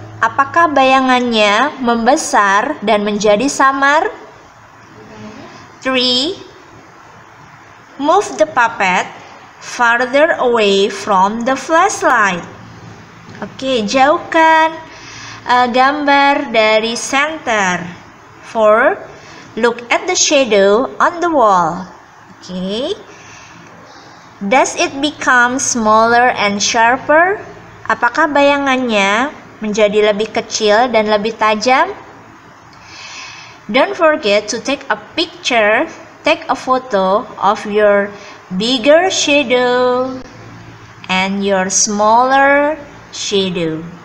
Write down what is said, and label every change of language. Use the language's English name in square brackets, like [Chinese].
[Indonesian] Apakah bayangannya membesar dan menjadi samar? 3. [English] Move the puppet farther away from the flashlight. [Indonesian] Okay, jauhkan gambar dari center. [English] 4. Look at the shadow on the wall. Okay. Does it become smaller and sharper? [Indonesian] Apakah bayangannya menjadi lebih kecil dan lebih tajam? [English] Don't forget to take a picture, take a photo of your bigger shadow and your smaller shadow.